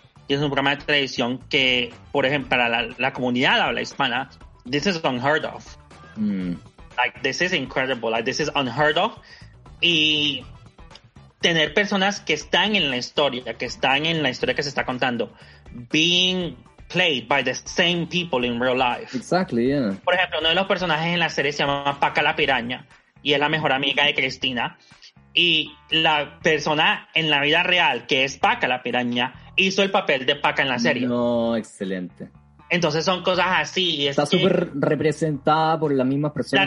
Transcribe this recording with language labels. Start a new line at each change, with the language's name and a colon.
Spanish: Y es un programa de televisión que, por ejemplo, para la comunidad habla hispana,
English: this is unheard of. Like, this is incredible. Like, this is unheard of.
Spanish: Y tener personas que están en la historia, que están en la historia que se está contando, being
English: played by the same people in real life. Exactly, yeah.
Spanish: Por ejemplo, uno de los personajes en la serie se llama Paca la Piraña y es la mejor amiga de Cristina. Y la persona en la vida real, que es Paca la Piraña, hizo el papel de Paca en la serie. No, excelente. Entonces son cosas así. Está súper representada por las mismas personas.